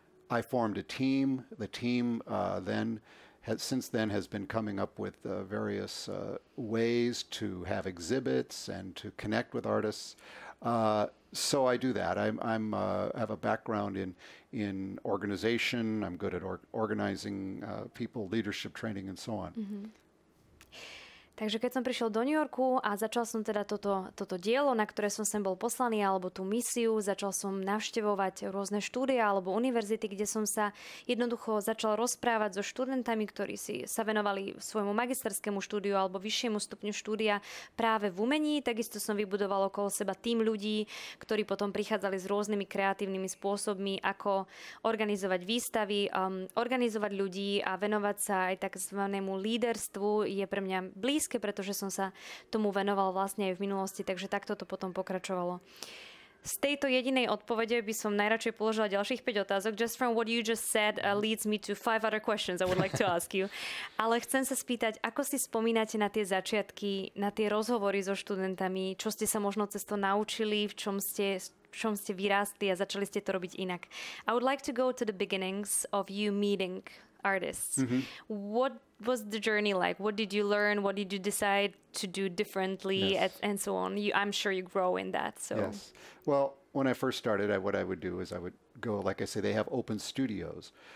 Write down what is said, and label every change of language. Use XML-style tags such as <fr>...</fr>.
<en>I formed a team. The team has been coming up with various ways to have exhibits and to connect with artists. So I do that. I have a background in organization. I'm good at organizing people, leadership training, and so on. Mm-hmm.</en> <sk>Takže keď som prišiel do New Yorku a začal som teda toto dielo, na ktoré som sem bol poslaný, alebo tú misiu, začal som navštevovať rôzne štúdia alebo univerzity, kde som sa jednoducho začal rozprávať so študentami, ktorí si sa venovali svojmu magisterskému štúdiu alebo vyššiemu stupňu štúdia práve v umení. Takisto som vybudoval okolo seba tým ľudí, ktorí potom prichádzali s rôznymi kreatívnymi spôsobmi, ako organizovať výstavy, organizovať ľudí a venovať sa aj takzvanému líderstvu je pre mňa blízke, pretože som sa tomu venoval vlastne aj v minulosti, takže takto to potom pokračovalo. Z tejto jedinej odpovede by som najradšej položila ďalších 5 otázok.</sk> <en>Just from what you just said leads me to 5 other questions I would like to ask you.</en> <sk>Ale chcem sa spýtať, ako si spomínate na tie začiatky, na tie rozhovory so študentami, čo ste sa možno cez to naučili, v čom ste vyrástli a začali ste to robiť inak.</sk> <en>I would like to go to the beginnings of you meeting artists. Mm-hmm. What was the journey like? What did you learn? What did you decide to do differently? Yes. And so on. I'm sure you grow in that. So. Yes. Well, when I first started, what I would do is I would go, like I say, they have open studios</en>